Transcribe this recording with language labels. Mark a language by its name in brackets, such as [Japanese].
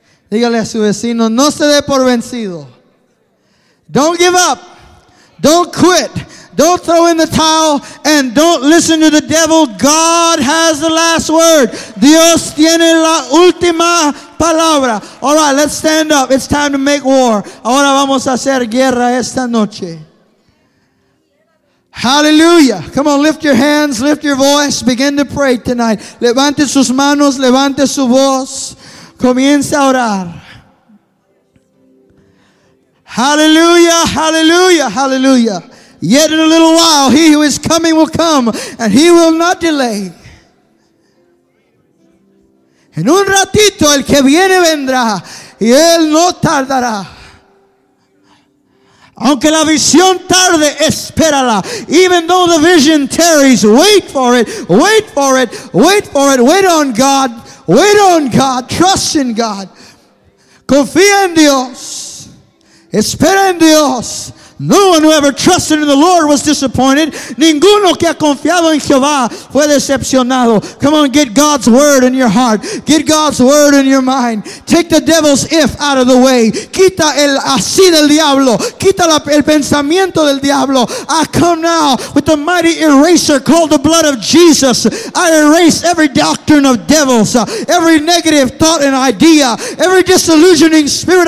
[Spanish] Dígale a su vecino, no se dé por vencido. [English] Don't give up. Don't quit. Don't throw in the towel and don't listen to the devil. God has the last word. [Spanish] Dios tiene la última palabra. [English] All right, let's stand up. It's time to make war. [Spanish] Ahora vamos a hacer guerra esta noche. [English] Hallelujah. Come on, lift your hands, lift your voice. Begin to pray tonight. [Spanish] Levante sus manos, levante su voz. Comience a orar. Hallelujah, hallelujah, hallelujah. [English] Yet in a little while, he who is coming will come, and he will not delay. [Spanish] En un ratito, el que viene vendrá, y él no tardará. Aunque la visión tarde, espérala. [English] Even though the vision tarries, wait for it, wait for it, wait for it. Wait on God, wait on God, trust in God. [Spanish] Confía en Dios, espera en Dios. [English] No one who ever trusted in the Lord was disappointed. [Spanish] Ninguno que ha confiado en Jehová fue decepcionado. [English] Come on, get God's word in your heart. Get God's word in your mind. Take the devil's if out of the way. [Spanish] Quita el así del diablo. Quita el pensamiento del diablo. [English] I come now with the mighty eraser called the blood of Jesus. I erase every doctrine of devils, every negative thought and idea, every disillusioning spirit.